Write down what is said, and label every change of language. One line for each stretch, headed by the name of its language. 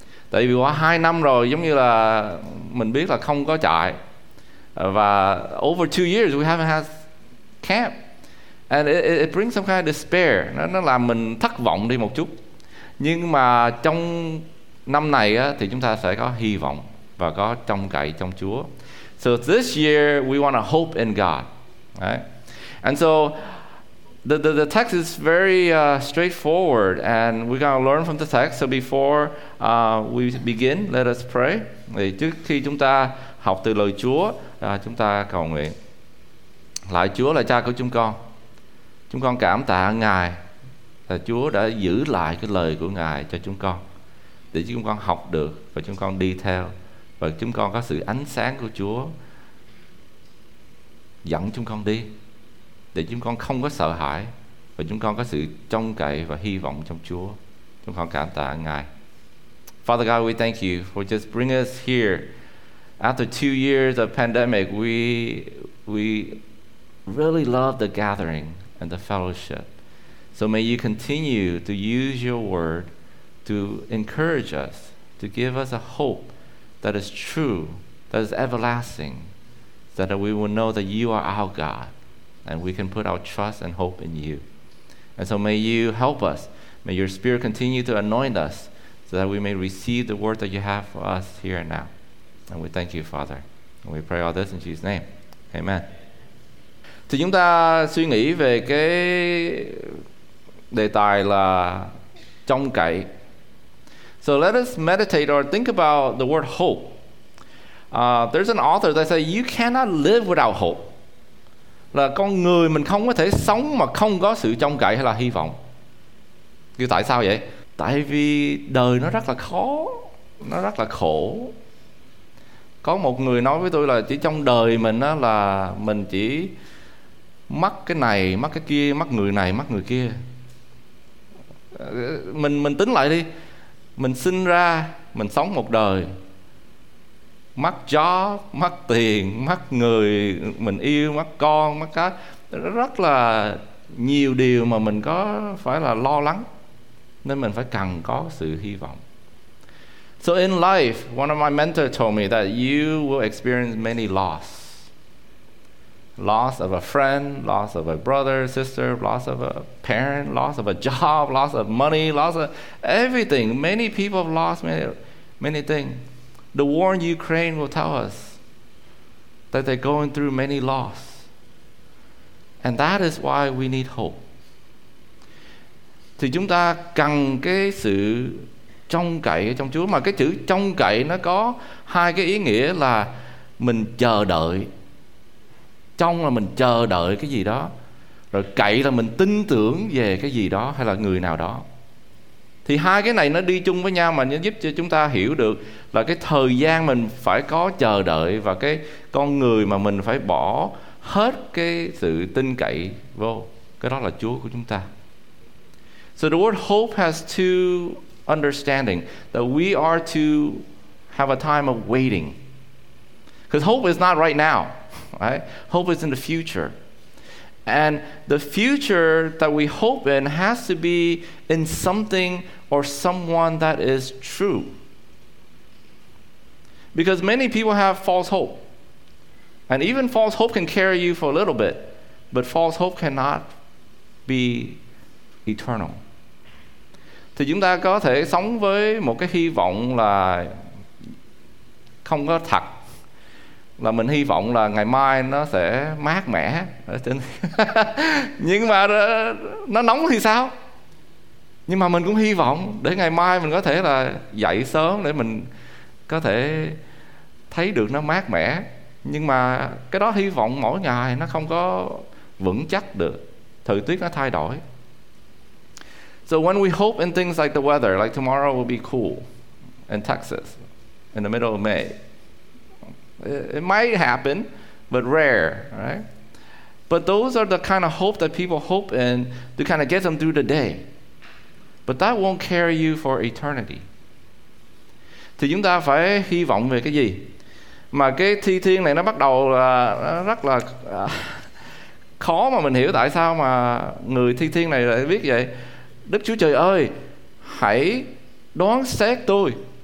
Vietnamese: Tại vì qua 2 năm rồi, giống như là mình biết là không có trại.
English: Và over 2 years we haven't had camp. And it brings some kind of despair.
Vietnamese: Nó làm mình thất vọng đi một chút. Nhưng mà trong năm này á, thì chúng ta sẽ có hy vọng và có trông cậy trong Chúa.
English: So this year we want to hope in God. Right? And so the text is very straightforward, and we're going to learn from the text. So before we begin, let us pray.
Vietnamese: Thì trước khi chúng ta học từ lời Chúa, chúng ta cầu nguyện. Lạy Chúa, là cha của chúng con. Chúng con cảm tạ Ngài là Chúa đã giữ lại cái lời của Ngài cho chúng con, để chúng con học được và chúng con đi theo, và chúng con có sự ánh sáng của Chúa dẫn chúng con đi, để chúng con không có sợ hãi và chúng con có sự trông cậy và hy vọng trong Chúa. Chúng con cảm tạ Ngài.
English: Father God, we thank you for just bring us here. After 2 years of pandemic, we really love the gathering and the fellowship. So may you continue to use your word to encourage us, to give us a hope that is true, that is everlasting, so that we will know that you are our God and we can put our trust and hope in you. And so may you help us, may your spirit continue to anoint us so that we may receive the word that you have for us here and now. And we thank you, Father. And we pray all this in Jesus' name.
Vietnamese: Amen. Thì chúng ta suy nghĩ về cái đề tài là trông cậy.
English: So let us meditate or think about the word hope. There's an author that said you cannot live without hope.
Vietnamese: Là con người mình không có thể sống mà không có sự trông cậy hay là hy vọng. Kêu tại sao vậy? Tại vì đời nó rất là khó, nó rất là khổ. Có một người nói với tôi là chỉ trong đời mình á, là mình chỉ mắc cái này, mắc cái kia, mắc người này, mắc người kia. Mình tính lại đi. Mình sinh ra, mình sống một đời, mắc chó, mắc tiền, mắc người mình yêu, mắc con, mắc cá. Rất là nhiều điều mà mình có phải là lo lắng. Nên mình phải cần có sự hy vọng.
English: So in life, one of my mentors told me that you will experience many loss. Loss of a friend, loss of a brother, sister, loss of a parent, loss of a job, loss of money, loss of everything. Many people have lost many things. The war in Ukraine will tell us that they're going through many loss. And that is why we need hope.
Vietnamese: Thì chúng ta cần cái sự trông cậy trong Chúa. Mà cái chữ trông cậy nó có hai cái ý nghĩa là mình chờ đợi. Trông là mình chờ đợi cái gì đó. Rồi cậy là mình tin tưởng về cái gì đó hay là người nào đó. Thì hai cái này nó đi chung với nhau mà nó giúp cho chúng ta hiểu được là cái thời gian mình phải có chờ đợi và cái con người mà mình phải bỏ hết cái sự tin cậy vô. Cái đó là Chúa của chúng ta.
English: So the word hope has two understanding, that we are to have a time of waiting. Because hope is not right now, right? Hope is in the future. And the future that we hope in has to be in something or someone that is true. Because many people have false hope. And even false hope can carry you for a little bit, but false hope cannot be eternal.
Vietnamese: Thì chúng ta có thể sống với một cái hy vọng là không có thật. Là mình hy vọng là ngày mai nó sẽ mát mẻ ở trên. Nhưng mà nó nóng thì sao? Nhưng mà mình cũng hy vọng để ngày mai mình có thể là dậy sớm để mình có thể thấy được nó mát mẻ. Nhưng mà cái đó hy vọng mỗi ngày nó không có vững chắc được. Thời tiết nó thay đổi.
English: So when we hope in things like the weather, like tomorrow will be cool in Texas in the middle of May, it might happen, but rare, right? But those are the kind of hope that people hope in to kind of get them through the day. But that won't carry you for eternity.
Vietnamese: Thì chúng ta phải hy vọng về cái gì? Mà cái thi thiên này nó bắt đầu là rất là khó mà mình hiểu tại sao mà người thi thiên này lại viết vậy. Đức Chúa Trời ơi, hãy đoán xét tôi.